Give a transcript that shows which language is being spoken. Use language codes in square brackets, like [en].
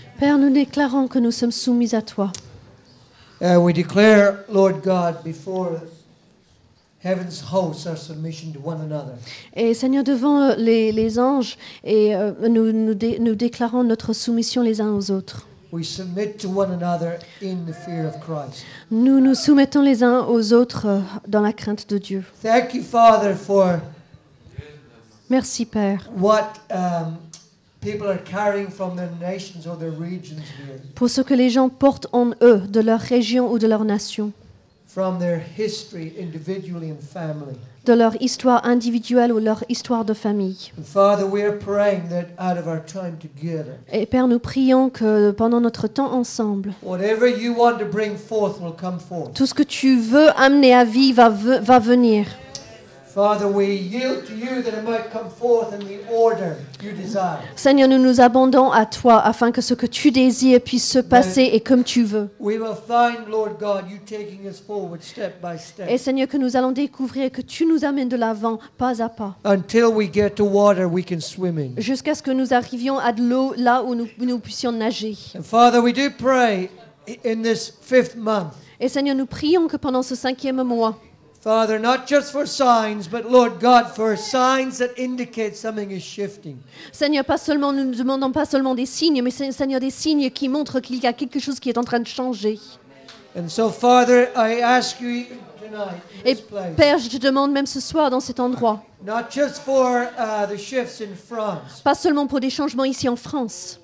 [fr] Père, nous déclarons que nous sommes soumis à toi. [en] And we declare, Lord God, before heaven's hosts, our submission to one another. [fr] Et Seigneur, devant les anges, et nous déclarons notre soumission les uns aux autres. [en] We submit to one another in the fear of Christ. [fr] Nous nous soumettons les uns aux autres dans la crainte de Dieu. [en] Thank you, Father, for. [fr] Merci, Père. [en] What people are carrying from their nations or their regions here. [fr] Pour ce que les gens portent en eux de leur région ou de leur nation. [en] From their history individually and family. [fr] De leur histoire individuelle ou leur histoire de famille. [en] And Father, we are praying that out of our time together. [fr] Et Père, nous prions que pendant notre temps ensemble. [en] Whatever you want to bring forth will come forth. [fr] Tout ce que tu veux amener à vie va venir. [en] Father, we yield to you that it might come forth in the order you desire. [fr] Seigneur, nous nous abandonnons à toi afin que ce que tu désires puisse se passer et comme tu veux. [en] We will find, Lord God, you taking us forward step by step. [fr] Et Seigneur, que nous allons découvrir que tu nous amènes de l'avant pas à pas. [en] Until we get to water we can swim in. [fr] Jusqu'à ce que nous arrivions à de l'eau là où nous puissions nager. [en] And Father, we do pray in this fifth month. [fr] Et Seigneur, nous prions que pendant ce cinquième mois. [en] Father, not just for signs, but Lord God, for signs that indicate something is shifting. [fr] Seigneur, pas seulement nous ne demandons pas seulement des signes, mais Seigneur, des signes qui montrent qu'il y a quelque chose qui est en train de changer. [en] And so, Father, I ask you tonight, this place. [fr] Père, je te demande même ce soir dans cet endroit. [en] Not just for the shifts in France. [fr] Pas seulement pour des changements ici en France.